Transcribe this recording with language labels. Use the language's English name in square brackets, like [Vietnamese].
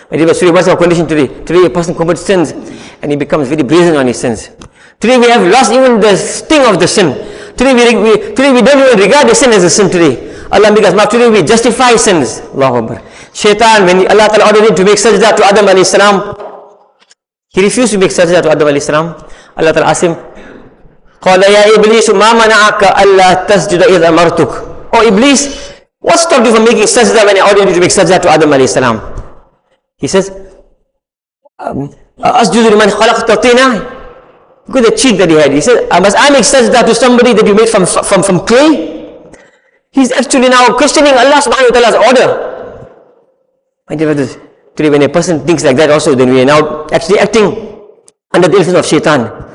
[English] My dear brother, what's our condition today? Today a person commits sins and he becomes very brazen on his sins. Today we have lost even the sting of the sin. Today we don't even regard the sin as a sin today. Allah make us, today we justify sins. Allahu Akbar. Shaitan, when Allah Ta'ala ordered him to make sajda to Adam alayhi salam, he refused to make sajda to Adam alayhi salam. Allah Ta'ala asked him, [Arabic] قَالَ يَا إِبْلِيسُ مَا مَنَعَكَ أَلَّا تَسْجُدَ إِذْ أَمَرْتُكَ. [English] Oh Iblis, what stopped you from making sajda when I ordered you to make sajda to Adam alayhi salam? He says, [Arabic] أَسْجُدُ لِمَنْ خَلَقْتَ طِينَ. [English] Look at the cheek that he had. He says, must I make sajda to somebody that you made from clay? He's actually now questioning Allah subhanahu wa ta'ala's order. My dear brothers, today when a person thinks like that also, then we are now actually acting under the influence of shaitan.